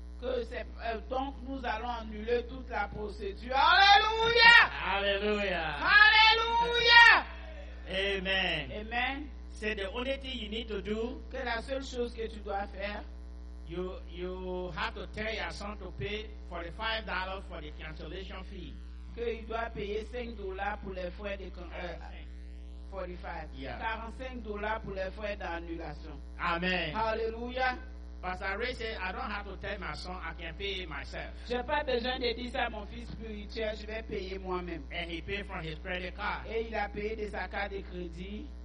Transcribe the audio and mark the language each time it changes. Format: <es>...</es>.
<fr>Que c'est, donc nous allons annuler toute la procédure. Alléluia! Alléluia! Alléluia! Amen. Amen. C'est</fr> <en>the only thing you need to do.</en> <fr>Que la seule chose que tu dois faire.</fr> <en>You have to tell your son to pay $45 for the cancellation fee.</en> <fr>Que il doit payer $5 pour les frais de 45.</fr> <en>Yeah.</en> <fr>$45 pour les frais d'annulation.</fr> <en>Amen. Hallelujah. Pastor Ray said, "I don't have to tell my son. I can pay it myself."</en> <fr>J'ai pas besoin de dire ça à mon fils spirituel. Je vais payer moi-même.</fr> <en>And he paid from his credit card.</en> <fr>Et il a payé de sa carte de crédit.</fr>